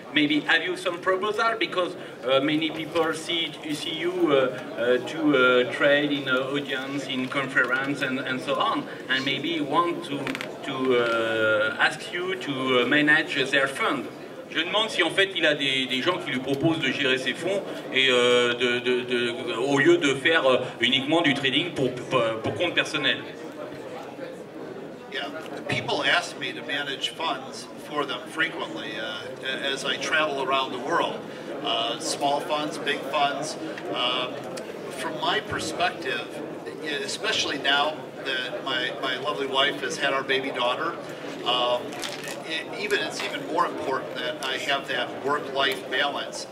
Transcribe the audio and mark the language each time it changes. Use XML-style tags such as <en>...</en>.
<en>Maybe have you some proposal? Because many people see you to trade in audience, in conference, and so on. And maybe want to ask you to manage their fund.</en> <fr>Je demande si en fait il a des gens qui lui proposent de gérer ses fonds et de au lieu de faire uniquement du trading pour compte personnel.</fr> <en>Yeah, people ask me to manage funds for them frequently as I travel around the world. Small funds, big funds. From my perspective, especially now that my lovely wife has had our baby daughter, it's even more important that I have that work-life balance.</en>